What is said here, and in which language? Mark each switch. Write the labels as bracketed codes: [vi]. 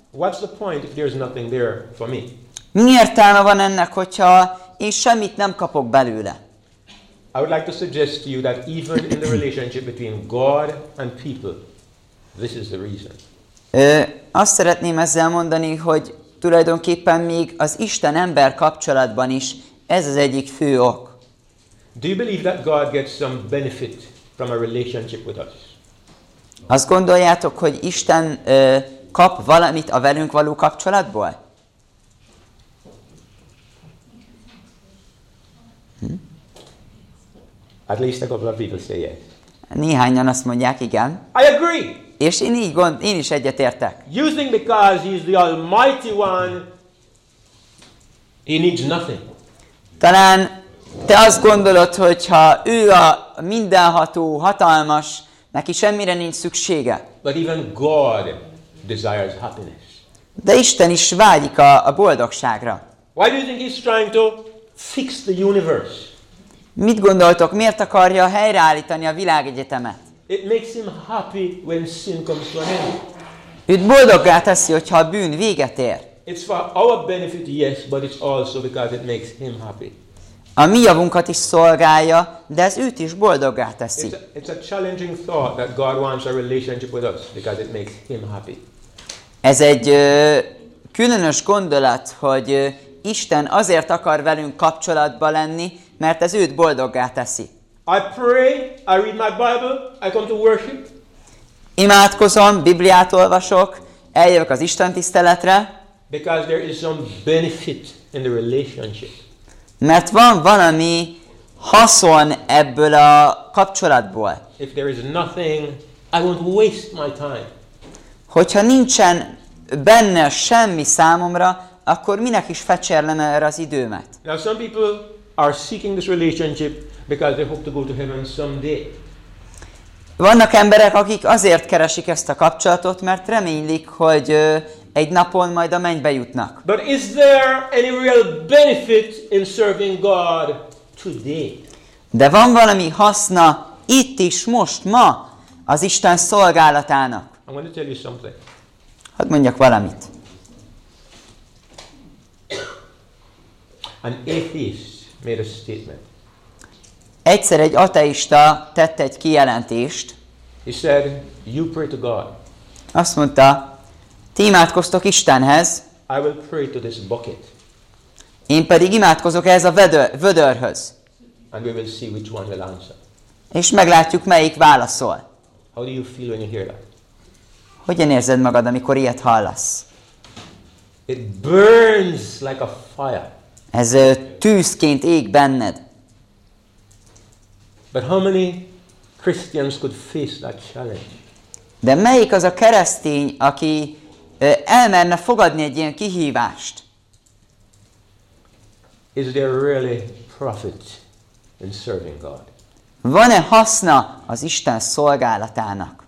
[en] What's the point if there's nothing there for me? [hu] Mi értelme van ennek, hogyha én semmit nem kapok belőle? [en] I would like to suggest to you that even in the relationship between God and people, this is the reason. [hu] Azt szeretném ezzel mondani, hogy tulajdonképpen még az Isten-ember kapcsolatban is ez az egyik fő ok. [en] Do you believe that God gets some benefit from a relationship with us? [hu] Azt gondoljátok, hogy Isten kap valamit a velünk való kapcsolatból? [en] At least a couple of people say yes. [hu] Néhányan azt mondják, igen. [en] I agree. [hu] És én így én is egyetértek. [en] Using because he is the Almighty One, he needs nothing. [hu] Talán te azt gondolod, hogy ha ő a mindenható, hatalmas, neki semmire nincs szüksége. [en] But even God desires happiness. [hu] De Isten is vágyik a boldogságra. [en] Why do you think he's trying to fix the universe? [hu] Mit gondoltok, miért akarja helyreállítani a világegyetemet? [en] It makes him happy when sin comes to an end. [hu] Őt boldoggá teszi, hogyha a bűn véget ér. [en] It's for our benefit, yes, but it's also because it makes him happy. [hu] A mi javunkat is szolgálja, de ez őt is boldoggá teszi. [en] It's a challenging thought that God wants a relationship with us because it makes him happy. [hu] Ez egy különös gondolat, hogy Isten azért akar velünk kapcsolatba lenni, mert ez őt boldoggá teszi. [en] I pray, I read my Bible, I come to worship. [hu] Imádkozom, Bibliát olvasok, eljövök az Isten tiszteletre. [en] Because there is some benefit in the relationship. [hu] Mert van valami haszon ebből a kapcsolatból. [en] If there is nothing, I won't waste my time. [hu] Hogyha nincsen benne semmi számomra, akkor minek is fecserlene erre az időmet? [en] Now some people are seeking this relationship because they hope to go to heaven someday. [hu] Vannak emberek, akik azért keresik ezt a kapcsolatot, mert reménylik, hogy egy napon majd a mennybe jutnak. [en] But is there any real benefit in serving God today? [hu] De van valami haszna itt is, most, ma az Isten szolgálatának? [en] I'm going to tell you something. [hu] Hadd mondjak valamit. [en] An atheist made a statement. [hu] Egyszer egy ateista tette egy kijelentést. [en] He said, you pray to God. [hu] Azt mondta, ti imádkoztok Istenhez. [en] I will pray to this bucket. [hu] Én pedig imádkozok ehhez a vödörhöz. [en] And we will see which one will answer. [hu] És meglátjuk, melyik válaszol. [en] How do you feel when you hear that? [hu] Hogyan érzed magad, amikor ilyet hallasz? [en] It burns like a fire. [hu] Ez tűzként ég benned. [en] But how many Christians could face that challenge? [hu] De melyik az a keresztény, aki elmerne fogadni egy ilyen kihívást? [en] Is there really profit in serving God? [hu] Van-e haszna az Isten szolgálatának?